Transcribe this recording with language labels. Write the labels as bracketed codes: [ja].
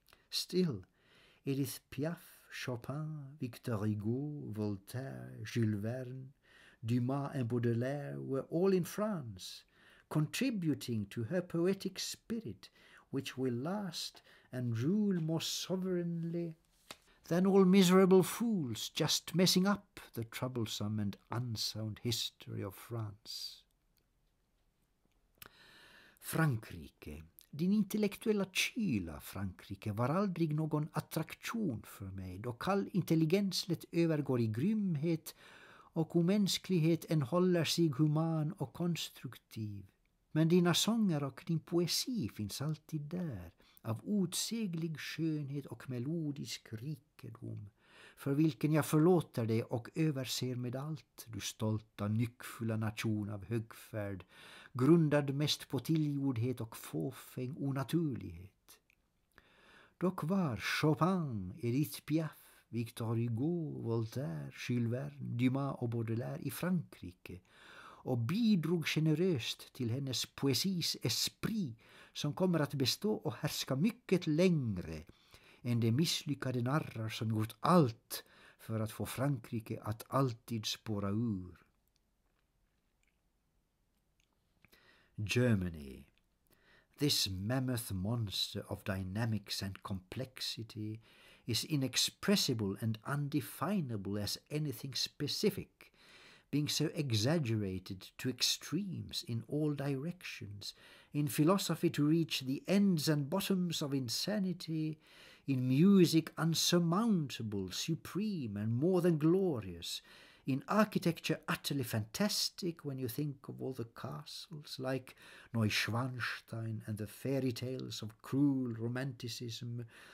[en] Still, Edith Piaf, Chopin, Victor Hugo, Voltaire, Jules Verne, Dumas and Baudelaire were all in France, contributing to her poetic spirit, which will last and rule more sovereignly than all miserable fools just messing up the troublesome and unsound history of France. [sv] Frankrike. Din intellektuella kyla, Frankrike, var aldrig någon attraktion för mig, då kall intelligens lätt övergår i grymhet och omänsklighet än håller sig human och konstruktiv. Men dina sånger och din poesi finns alltid där, av otseglig skönhet och melodisk rikedom, för vilken jag förlåter dig och överser med allt, du stolta, nyckfulla nation av högfärd, grundad mest på tillgjordhet och fåfäng onaturlighet. Doc Var, Chopin, Edith Piaf, Victor Hugo, Voltaire, Jules Verne, Dumas och Baudelaire i Frankrike och bidrog generöst till hennes poesis esprit som kommer att bestå och härska mycket längre än de misslyckade narrar som gjort allt för att få Frankrike att alltid spåra ur. [en] Germany, this mammoth monster of dynamics and complexity, is inexpressible and undefinable as anything specific, being so exaggerated to extremes in all directions, in philosophy to reach the ends and bottoms of insanity, in music unsurmountable, supreme and more than glorious, in architecture utterly fantastic when you think of all the castles like Neuschwanstein and the fairy tales of cruel romanticism,